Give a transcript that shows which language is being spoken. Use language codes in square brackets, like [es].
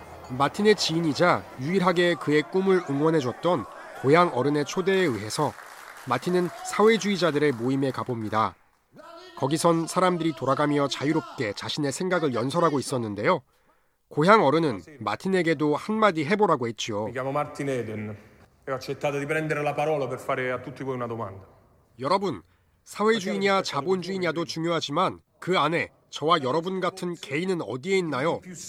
[ko] 마틴의 지인이자 유일하게 그의 꿈을 응원해줬던 고향 어른의 초대에 의해서 마틴은 사회주의자들의 모임에 가봅니다. 거기선 사람들이 돌아가며 자유롭게 자신의 생각을 연설하고 있었는데요. 고향 어른은 마틴에게도 한마디 해보라고 했죠. [it] Mi chiamo Martin Eden. E ho accettato di prendere la parola per fare a tutti voi una domanda. [ko] 여러분, 사회주의냐 자본주의냐도 중요하지만 그 안에 저와 여러분 같은 개인은 어디에 있나요?